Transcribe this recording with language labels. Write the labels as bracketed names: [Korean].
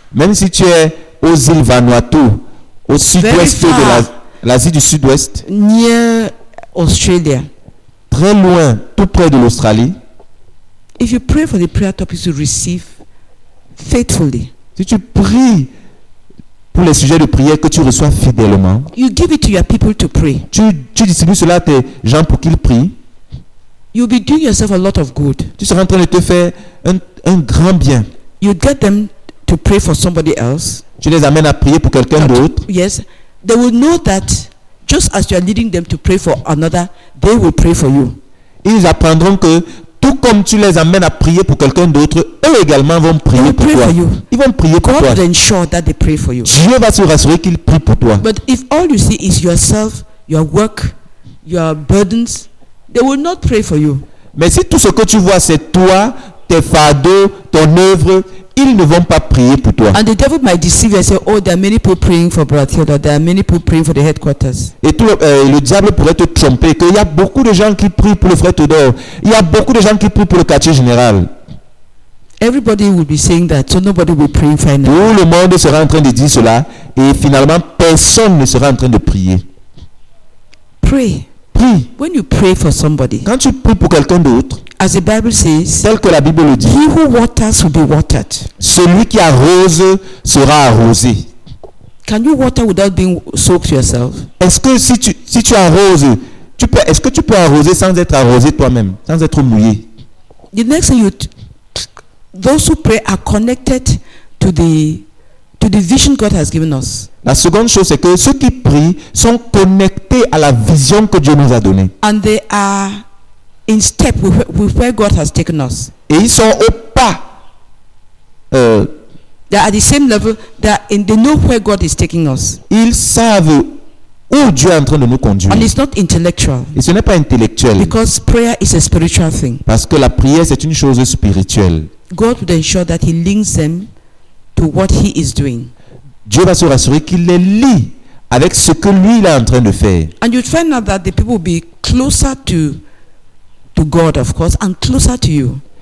[French] Même si tu es aux îles Vanuatu, au sud-ouest de l'Asie du Sud-Ouest. [English] Near Australia. [French] Très loin, tout près de l'Australie. [English] If you pray for the prayer topics you receive faithfully. [French] Si tu pries pour les sujets de prière que tu reçois fidèlement. [English] You give it to your people to pray. [French] Tu distribues cela à tes gens pour qu'ils prient. [English] You'll be doing yourself a lot of good. [French] Tu seras en train de te faire un grand bien. [English] You get them to pray for somebody else. [French] Tu les amènes à prier pour quelqu'un d'autre. [English] Yes, they will know that just as you are leading them to pray for another, they will pray for you. [French] Ils apprendront que tout comme tu les amènes à prier pour quelqu'un d'autre, eux également vont prier pour toi. Ils vont prier pour toi. [English] God will ensure that they pray for you. [French] Dieu va se rassurer qu'ils prient pour toi. [English] But if all you see is yourself, your work, your burdens, they will not pray for you. [French] Mais si tout ce que tu vois c'est toi, tes fardeaux, ton œuvre, ils ne vont pas prier pour toi. [English] And the devil might deceive you and say, oh, there are many people praying for Brother Theodore. There are many people praying for the headquarters. [French] Et tout le diable pourrait te tromper qu'il y a beaucoup de gens qui prient pour le frère Theodore. Il y a beaucoup de gens qui prient pour le quartier général. [English] Everybody will be saying that, so nobody will pray finally. [French] Tout le monde sera en train de dire cela et finalement personne ne sera en train de prier. [English] Pray. [French] Prie. [English] When you pray for somebody. [French] Quand tu pries pour quelqu'un d'autre. [English] As the Bible says, [French] tel que la Bible le dit, [English] he who waters will be watered. [French] Celui qui arrose sera arrosé. [English] Can you water without being soaked yourself? [French] Est-ce que si tu arroses, est-ce que tu peux arroser sans être arrosé toi-même, sans être mouillé? [English] The next thing those who pray are connected to the vision God has given us. [French] La seconde chose c'est que ceux qui prient sont connectés à la vision que Dieu nous a donnée. [English] And they are in step with where God has taken us. [French] Et ils sont au pas. [English] They are at the same level that in they know where God is taking us. [French] Ils savent où Dieu est en train de nous conduire. [English] And it's not intellectual. [French] Et ce n'est pas intellectuel. [English] Because prayer is a spiritual thing. [French] Parce que la prière c'est une chose spirituelle. [English] God would ensure that he links them to what he is doing. [French] Dieu va se rassurer qu'il les lie avec ce que lui il est en train de faire. [English] And you'd find out that the people will be closer to God, of course, and closer to you.